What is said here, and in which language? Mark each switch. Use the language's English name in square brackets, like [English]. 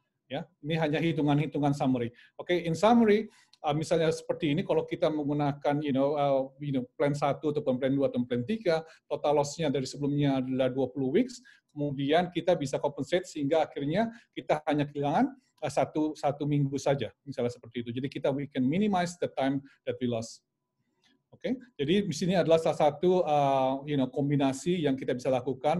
[Indonesian] Ya, ini hanya hitungan-hitungan summary. Oke, okay, [English] in summary, [Indonesian] misalnya seperti ini, kalau kita menggunakan, [English] you know, [Indonesian] plan 1 atau plan 2 atau plan 3, total loss-nya dari sebelumnya adalah [English] 20 weeks, [Indonesian] kemudian kita bisa compensate sehingga akhirnya kita hanya kehilangan satu minggu saja, misalnya seperti itu. Jadi kita [English] we can minimize the time that we lost. [Indonesian] Oke, okay. Jadi di sini adalah salah satu kombinasi yang kita bisa lakukan.